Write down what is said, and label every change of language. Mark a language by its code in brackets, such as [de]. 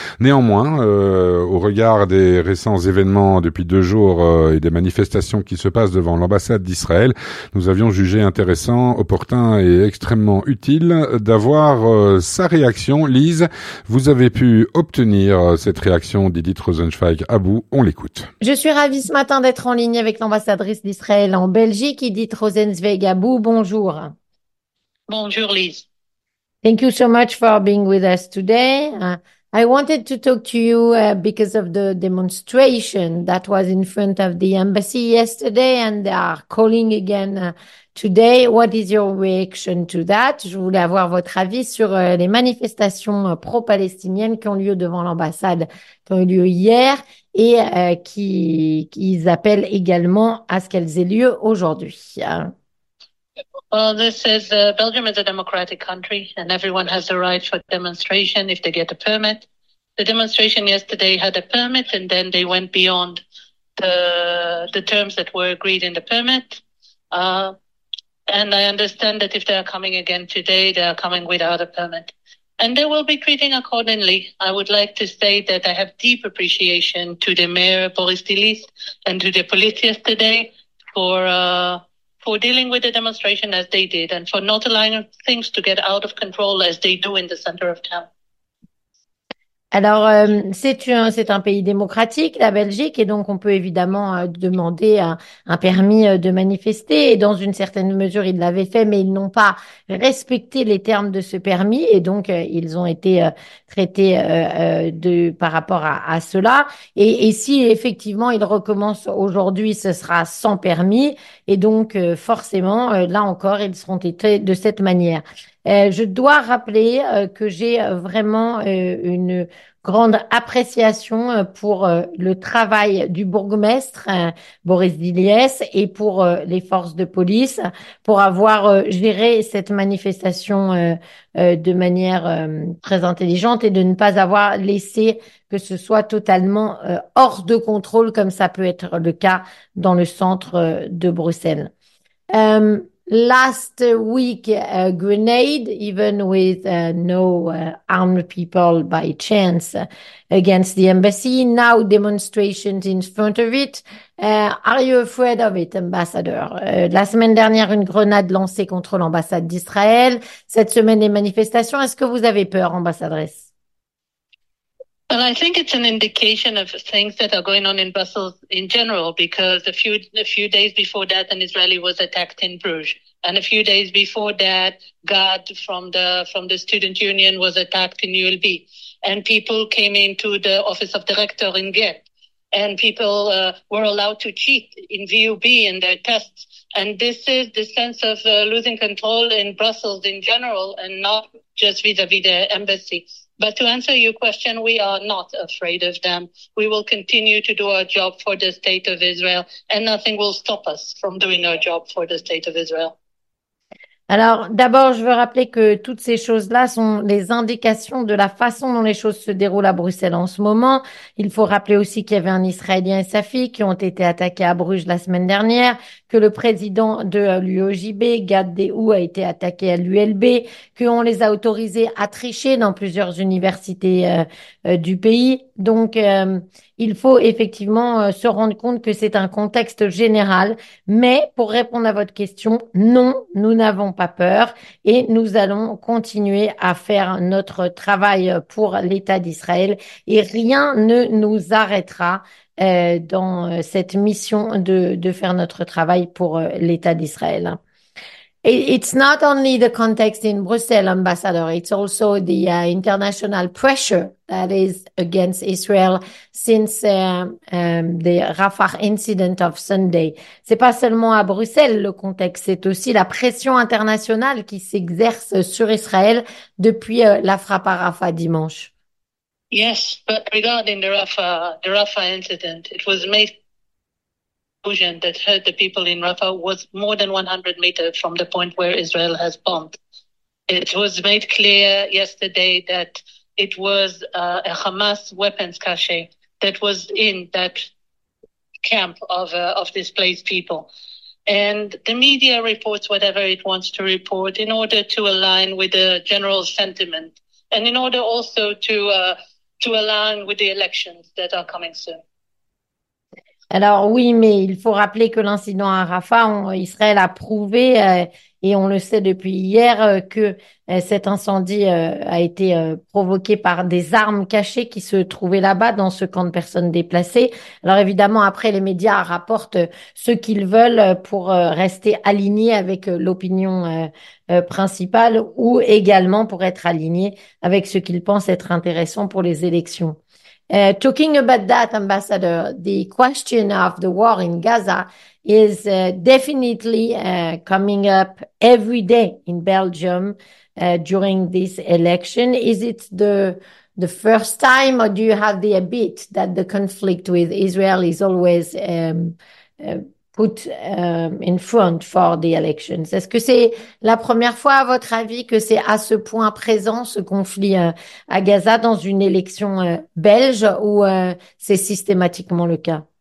[fr] Néanmoins, au regard des récents événements depuis deux jours et des manifestations qui se passent devant l'ambassade d'Israël, nous avions jugé intéressant, opportun et extrêmement utile d'avoir sa réaction. Lise, vous avez pu obtenir cette réaction d'Edith Rosenzweig Abou. On l'écoute. Je suis ravie ce matin d'être en ligne avec l'ambassade adresse d'Israël en Belgique, Edith Rosenzweig Abou, bonjour. Bonjour, Liz. [en] Thank you so much for being with us today. I wanted to talk to you because of the demonstration that was in front of the embassy yesterday and they are calling again today. What is your reaction to that? [fr] Je voulais avoir votre avis sur les manifestations pro-palestiniennes qui ont lieu devant l'ambassade, qui ont eu lieu hier et qu'ils appellent également à ce qu'elles aient lieu aujourd'hui. [en] Well, this is Belgium is a democratic country and everyone has the right for demonstration if they get a permit. The demonstration yesterday had a permit and then they went beyond the terms that were agreed in the permit. And I understand that if they are coming again today, they are coming without a permit. And they will be treating accordingly. I would like to say that I have deep appreciation to the mayor, Boris Dilis, and to the police yesterday for dealing with the demonstration as they did and for not allowing things to get out of control as they do in the center of town. [fr] Alors, c'est un pays démocratique, la Belgique, et donc on peut évidemment demander un permis de manifester. Et dans une certaine mesure, ils l'avaient fait, mais ils n'ont pas respecté les termes de ce permis. Et donc, ils ont été traités par rapport à cela. Et si effectivement, ils recommencent aujourd'hui, ce sera sans permis. Et donc, forcément, là encore, ils seront traités de cette manière. Je dois rappeler que j'ai vraiment une grande appréciation pour le travail du bourgmestre Boris Dilies et pour les forces de police pour avoir géré cette manifestation de manière très intelligente et de ne pas avoir laissé que ce soit totalement hors de contrôle comme ça peut être le cas dans le centre de Bruxelles. [en] Last week, a grenade, even with no armed people by chance, against the embassy. Now demonstrations in front of it. Are you afraid of it, ambassador? [fr] La semaine dernière, une grenade lancée contre l'ambassade d'Israël. Cette semaine, des manifestations. Est-ce que vous avez peur, ambassadrice? [en] Well, I think it's an indication of things that are going on in Brussels in general, because a few days before that, an Israeli was attacked in Bruges. And a few days before that, Gad from the student union was attacked in ULB. And people came into the office of director in Ghent. And people were allowed to cheat in VUB in their tests. And this is the sense of losing control in Brussels in general and not just vis-a-vis the embassy. But to answer your question, we are not afraid of them. We will continue to do our job for the state of Israel and nothing will stop us from doing our job for the state of Israel. [fr] Alors, d'abord, je veux rappeler que toutes ces choses-là sont les indications de la façon dont les choses se déroulent à Bruxelles en ce moment. Il faut rappeler aussi qu'il y avait un Israélien et sa fille qui ont été attaqués à Bruges la semaine dernière, que le président de l'UOJB, Gad Dehou, a été attaqué à l'ULB, qu'on les a autorisés à tricher dans plusieurs universités du pays. Donc, il faut effectivement se rendre compte que c'est un contexte général. Mais pour répondre à votre question, non, nous n'avons pas peur et nous allons continuer à faire notre travail pour l'État d'Israël et rien ne nous arrêtera dans cette mission de faire notre travail pour l'État d'Israël. [en] It's not only the context in Brussels, Ambassador, it's also the international pressure that is against Israel since the Rafah incident of Sunday. [fr] C'est pas seulement à Bruxelles le contexte, c'est aussi la pression internationale qui s'exerce sur Israël depuis la frappe à Rafah dimanche. [en] Yes, but regarding the Rafah incident, it was made that hurt the people in Rafah was more than 100 meters from the point where Israel has bombed. It was made clear yesterday that it was a Hamas weapons cache that was in that camp of displaced people. And the media reports whatever it wants to report in order to align with the general sentiment and in order also to align with the elections that are coming soon. [fr] Alors oui, mais il faut rappeler que l'incident à Rafah, Israël a prouvé, et on le sait depuis hier, que cet incendie a été provoqué par des armes cachées qui se trouvaient là-bas dans ce camp de personnes déplacées. Alors évidemment, après, les médias rapportent ce qu'ils veulent pour rester alignés avec l'opinion principale ou également pour être alignés avec ce qu'ils pensent être intéressant pour les élections. [en] Talking about that, Ambassador, the question of the war in Gaza is definitely coming up every day in Belgium during this election. Is it the first time, or do you have the habit that the conflict with Israel is always put in front for the elections? [fr] Est-ce que c'est la première fois, à votre avis, que c'est à ce point présent, ce conflit à Gaza, dans une élection belge, ou c'est systématiquement le cas?